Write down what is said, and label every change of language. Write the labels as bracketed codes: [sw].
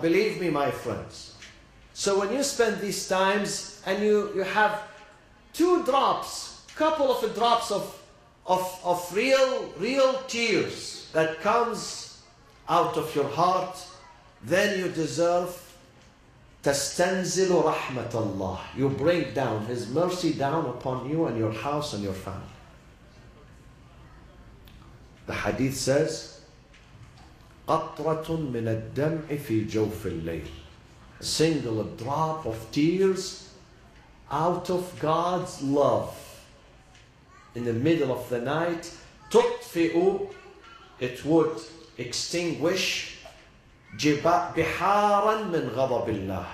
[en] Believe me, my friends. So when you spend these times and you have two drops, couple of drops of real tears that comes out of your heart, then you deserve [ar] تَسْتَنْزِلُ رَحْمَةَ اللَّهِ. [en] You bring down His mercy down upon you and your house and your family. The hadith says, [ar] قَطْرَةٌ مِنَ الدَّمْعِ فِي جَوْفِ اللَّيْلِ. [en] A single drop of tears out of God's love in the middle of the night, تُطْفِئُ, it would extinguish [ar] بِحَارًا مِنْ غَضَبِ اللَّهِ.